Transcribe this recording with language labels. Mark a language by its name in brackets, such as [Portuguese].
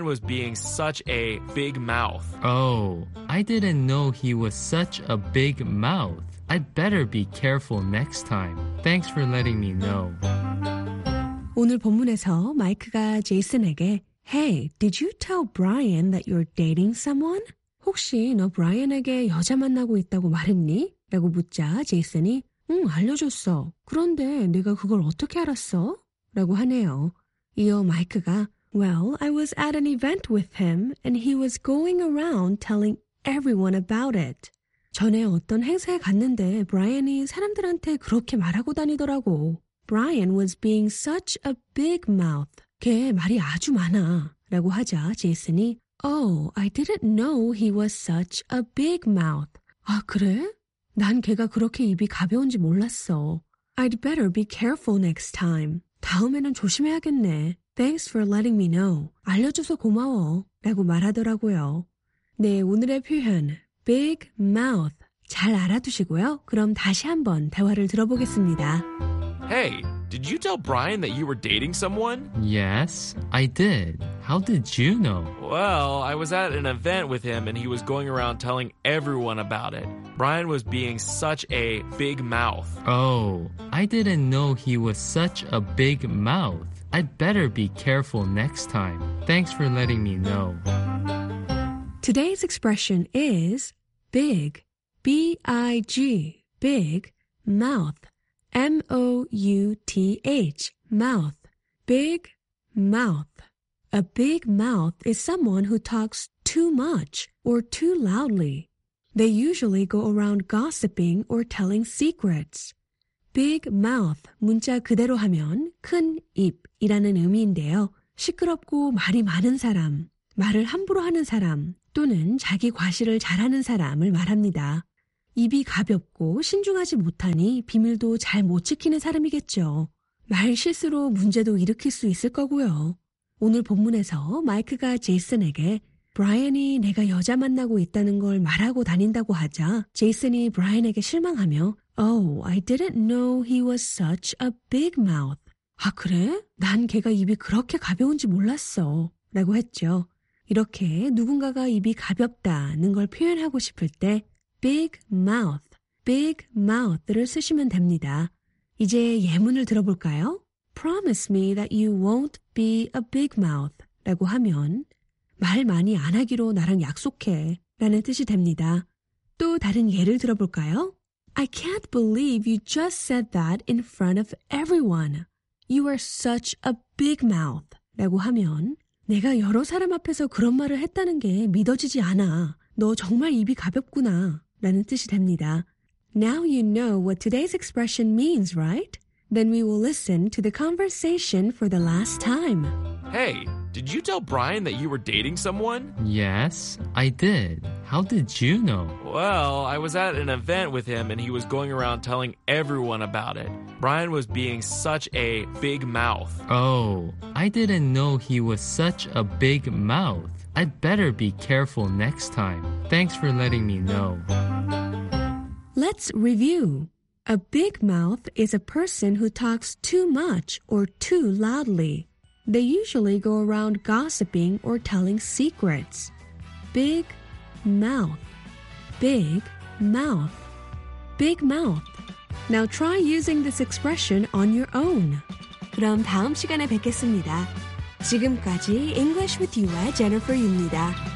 [English] Has anyone ever called you a big mouth? Well, what does that mean? Let's find out, but first we will listen to today's conversation. Listen carefully. Hey, did you tell Brian that you were dating someone? Yes, I did. How did you know? Well, I was at an event with him and he was going around telling everyone about it. Brian was being such a big mouth. Oh, I didn't know he was such a big mouth. I'd better be careful next time. Thanks for letting me know. [Korean] 오늘 본문에서 마이크가 제이슨에게 [English] Hey, did you tell Brian that you're dating someone? [Korean] 혹시 너 브라이언에게 여자 만나고 있다고 말했니? 라고 묻자 제이슨이 응, 알려줬어. 그런데 내가 그걸 어떻게 알았어? 라고 하네요. 이어 마이크가 Well, I was at an event with him and he was going around telling everyone about it. 전에 어떤 행사에 갔는데 브라이언이 사람들한테 그렇게 말하고 다니더라고. [English] Brian was being such a big mouth. [Korean] 걔 말이 아주 많아. 라고 하자 제이슨이 [English] Oh, I didn't know he was such a big mouth. [Korean] 아, 그래? 난 걔가 그렇게 입이 가벼운지 몰랐어. [English] I'd better be careful next time. [Korean] 다음에는 조심해야겠네. [English] Thanks for letting me know. [Korean] 알려줘서 고마워. 라고 말하더라고요. 네, 오늘의 표현. Big mouth. 잘 알아두시고요. 그럼 다시 한번 대화를 들어보겠습니다. [English] Hey, did you tell Brian that you were dating someone? Yes, I did. How did you know? Well, I was at an event with him and he was going around telling everyone about it. Brian was being such a big mouth. Oh, I didn't know he was such a big mouth. I'd better be careful next time. Thanks for letting me know. Today's expression is big, B-I-G, big, mouth, M-O-U-T-H, mouth, big, Mouth. A big mouth is someone who talks too much or too loudly. They usually go around gossiping or telling secrets. [Korean] Big mouth, 문자 그대로 하면 큰 입이라는 의미인데요. 시끄럽고 말이 많은 사람, 말을 함부로 하는 사람 또는 자기 과시를 잘하는 사람을 말합니다. 입이 가볍고 신중하지 못하니 비밀도 잘 못 지키는 사람이겠죠. 말 실수로 문제도 일으킬 수 있을 거고요. 오늘 본문에서 마이크가 제이슨에게 브라이언이 내가 여자 만나고 있다는 걸 말하고 다닌다고 하자 제이슨이 브라이언에게 실망하며 [English] Oh, I didn't know he was such a big mouth. [Korean] 아, 그래? 난 걔가 입이 그렇게 가벼운지 몰랐어. 라고 했죠. 이렇게 누군가가 입이 가볍다는 걸 표현하고 싶을 때 big mouth, big mouth를 쓰시면 됩니다. 이제 예문을 들어볼까요? [English] Promise me that you won't be a big mouth [Korean] 라고 하면 말 많이 안 하기로 나랑 약속해 라는 뜻이 됩니다. 또 다른 예를 들어볼까요? [English] I can't believe you just said that in front of everyone. You are such a big mouth [Korean] 라고 하면 내가 여러 사람 앞에서 그런 말을 했다는 게 믿어지지 않아. 너 정말 입이 가볍구나 라는 뜻이 됩니다. [English] Now you know what today's expression means, right? Then we will listen to the conversation for the last time. Hey, did you tell Brian that you were dating someone? Yes, I did. How did you know? Well, I was at an event with him and he was going around telling everyone about it. Brian was being such a big mouth. Oh, I didn't know he was such a big mouth. I'd better be careful next time. Thanks for letting me know. Let's review. A big mouth is a person who talks too much or too loudly. They usually go around gossiping or telling secrets. Big mouth. Big mouth. Big mouth. Now try using this expression on your own. [Korean] 그럼 다음 시간에 뵙겠습니다. 지금까지 English with you의 Jennifer입니다.